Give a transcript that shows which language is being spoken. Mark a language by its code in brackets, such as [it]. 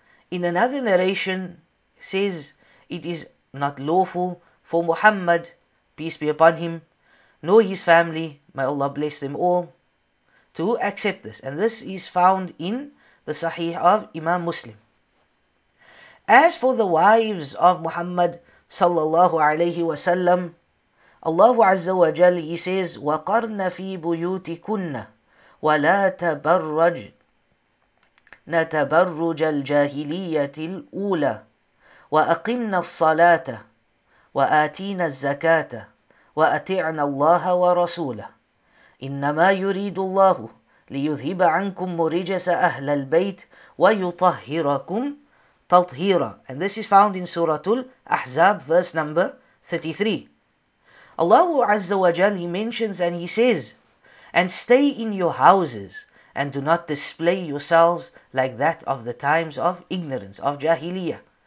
[en] In another narration says it is not lawful for Muhammad, peace be upon him, nor his family, may Allah bless them all, to accept this. And this is found in the Sahih of Imam Muslim. As for the wives of Muhammad sallallahu alayhi wa sallam, Allah Azza wa Jal, he says, [ar] وَقَرْنَ فِي بُيُوتِكُنَّ وَلَا تَبَرَّجْنَ تَبَرُّجَ الْجَاهِلِيَّةِ الْأُولَى وَأَقِمْنَ الصَّلَاةَ وَآتِينَ الزَّكَاةَ وَأَتِعْنَ اللَّهَ وَرَسُولَهُ إِنَّمَا يُرِيدُ اللَّهُ لِيُذْهِبَ عَنْكُمْ مُرِجَسَ أَهْلَ الْبَيْتِ وَيُطَهِّرَكُمْ تَطْهِيرًا. [en] And this is found in Surah Al-Ahzab, verse number 33. Allah Azza wa Jal, he mentions and he says, and stay in your houses and do not display yourselves like that of the times of ignorance, of jahiliyyah.